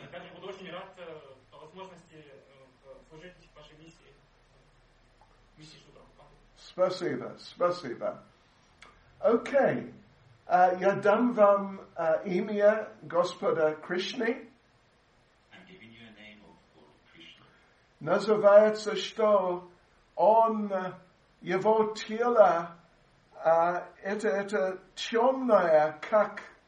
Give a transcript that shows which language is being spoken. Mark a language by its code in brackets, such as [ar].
[ru] Я также буду очень рад по возможности служить вашей миссии. Спасибо. Окей. Я дам вам имя Господа Кришны. [en] I'm giving you a name of Lord Krishna. [ru] Называется, что он, его тело, это темное, как